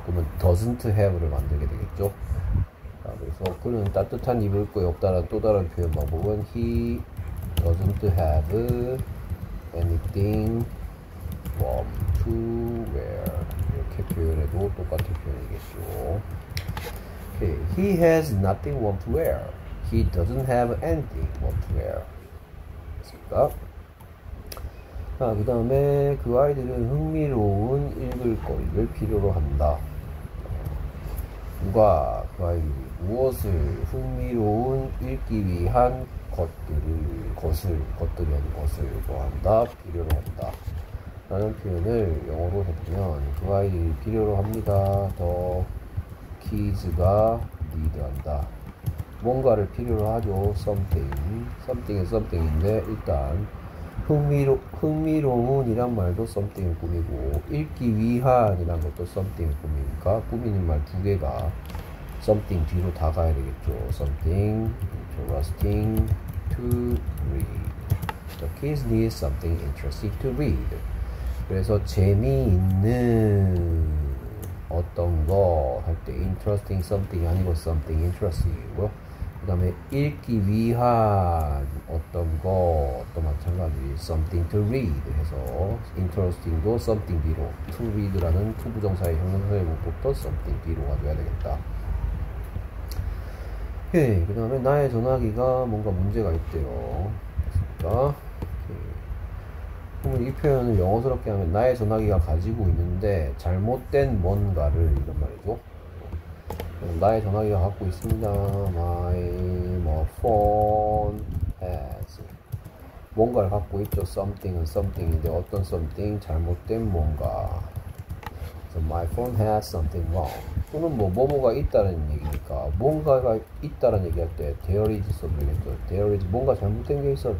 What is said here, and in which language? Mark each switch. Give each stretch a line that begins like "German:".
Korean: 그러면 doesn't have를 만들게 되겠죠. 자, 그래서 그는 따뜻한 입을 거 없다는 또 다른 표현 방법은
English: he doesn't have anything warm to wear.
Korean: 이렇게 표현해도 똑같은 표현이겠죠.
English: Okay. He has nothing warm to wear. He doesn't have anything warm to wear.
Korean: 됐습니까? 자, 그 다음에 그 아이들은 흥미로운 읽을거리를 필요로 한다. 누가 그 아이들이 무엇을, 흥미로운 읽기 위한 것들을, 것들이 아닌 것을 좋아한다, 필요로 한다 라는 표현을 영어로 해보면 그 아이들이 필요로 합니다.
English: The kids가 need한다.
Korean: 뭔가를 필요로 하죠. Something은 something인데, 일단 흥미로운이란 말도 something을 꾸미고, 읽기 위한이란 것도 something을 꾸미니까 꾸미는 말 두 개가 something 뒤로 다 가야 되겠죠.
English: Something interesting to read. The kids need something interesting to read.
Korean: 그래서 재미있는 어떤 거 할 때 interesting something 아니고 something interesting이고요. 그 다음에 읽기 위한 어떤 거 또 마찬가지 something to read 해서 interesting도 something 뒤로 to read라는 to 부정사의 형용사의 목적도 something 뒤로 가져야 되겠다. 오케이. 그 다음에 나의 전화기가 뭔가 문제가 있대요. 됐습니까? 그러면 이 표현을 영어스럽게 하면 나의 전화기가 가지고 있는데 잘못된 뭔가를 이런 말이죠. 나의 전화기가 갖고 있습니다.
English: My phone has
Korean: 뭔가를 갖고 있죠. Something은 something인데 어떤 something 잘못된 뭔가.
English: So my phone has something wrong.
Korean: 또는 뭐 뭐뭐가 있다는 얘기니까 뭔가가 있다는 얘기할 때 there is something이죠. There is 뭔가 잘못된 게 있어.